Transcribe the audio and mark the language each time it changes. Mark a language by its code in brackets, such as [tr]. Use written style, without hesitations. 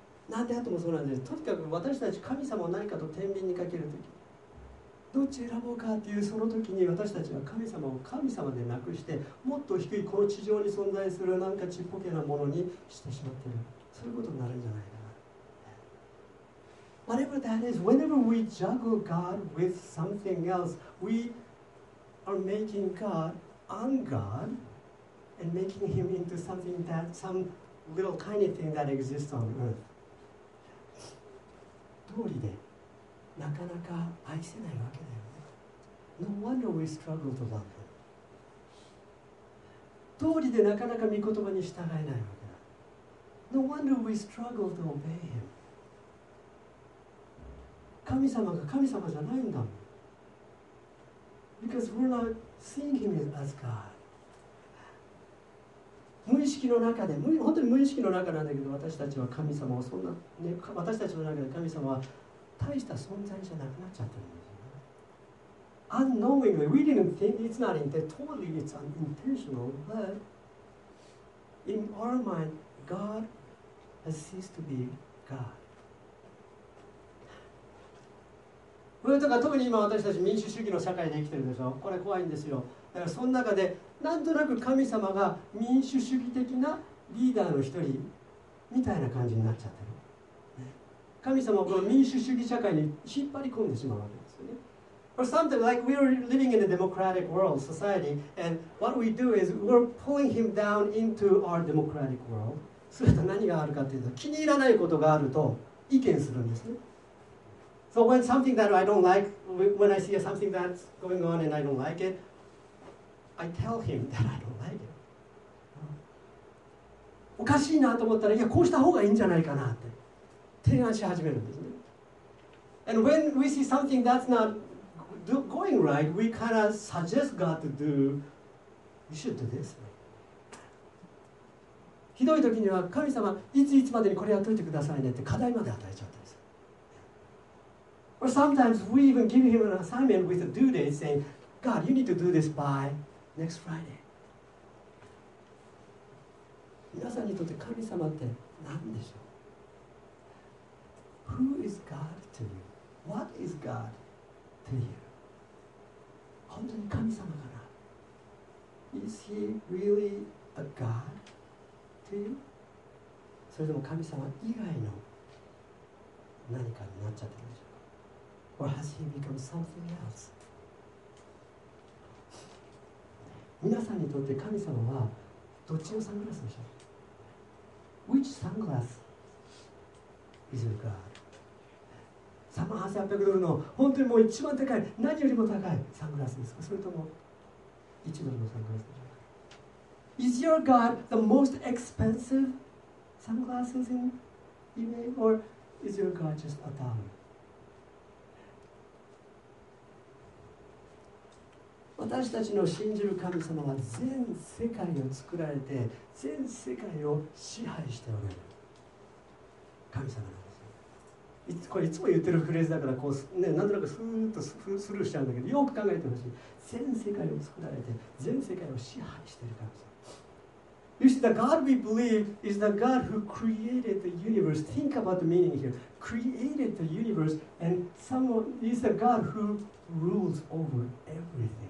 [ja] なんであともそうなんです。とにかく私たち神様を何かと天秤にかけるとき、どっち選ぼうかっていうそのときに私たちは神様を神様でなくして、もっと低いこの地上に存在するなんかちっぽけなものにしてしまっている。そういうことになるんじゃないかな。 [en] Whatever that is, whenever we juggle God with something else, weare making God un-God and making him into something that some little tiny thing that exists on earth. [ja] 道理でなかなか愛せないわけだよね。 [en] No wonder we struggle to love him. [ja] 道理でなかなか御言葉に従えないわけだ。 [en] No wonder we struggle to obey him. [ja] 神様が神様じゃないんだもん。 [en] Because we're not seeing him as God. [ja] 無意識の中で、本当に無意識の中なんだけど、私たちは神様をそんな、ね、私たちの中で神様は大した存在じゃなくなっちゃってるんですよ、ね。 [en] Unknowingly, we didn't think it's not intentional, totally it's unintentional, but in our mind, God has ceased to be God. [ja] これとか特に今私たち民主主義の社会で生きてるでしょ。これ怖いんですよ。だからその中でなんとなく神様が民主主義的なリーダーの一人みたいな感じになっちゃってる。神様はこの民主主義社会に引っ張り込んでしまうわけですよね。 [en] Or something like we're living in a democratic world society and what we do is we're pulling him down into our democratic world. [ja] すると何があるかというと気に入らないことがあると意見するんですね。 [en] So when something that I don't like, when I see something that's going on and I don't like it, I tell him that I don't like it. [ja] おかしいなと思ったら、いや、こうした方がいいんじゃないかなって提案し始めるんですね。 [en] And when we see something that's not going right, we kind of suggest God to do, you should do this. [ja] ひどい時には神様、いついつまでにこれやっといてくださいねって課題まで与えちゃう。 [en] Or sometimes we even give him an assignment with a due date saying, God, you need to do this by next Friday. [ja] 皆さんにとって神様って何でしょう? [en] Who is God to you? What is God to you? [ja] 本当に神様かな? [en] Is he really a God to you? [ja] それでも神様以外の何かになっちゃってるでしょう。 [en] Or has he become something else? [ja] 皆さんにとって神様はどっちのサングラスでしょう? [en] Which sunglass is your God? [ja] 38,000ドルの本当にもう一番高い、何よりも高いサングラスですか? それとも1ドルのサングラスでしょうか? [en] Is your God the most expensive sunglasses in eBay? Or is your God just a dollar? [ja] 私たちの信じる神様は全世界を作られて全世界を支配しておられる神様なんですよ。これいつも言ってるフレーズだからこう、ね、なんとなくスーッとスルーしちゃうんだけど、よく考えてほしい。全世界を作られて全世界を支配している神様。 [en] You see, the God we believe is the God who created the universe. Think about the meaning here. Created the universe and someone is the God who rules over everything.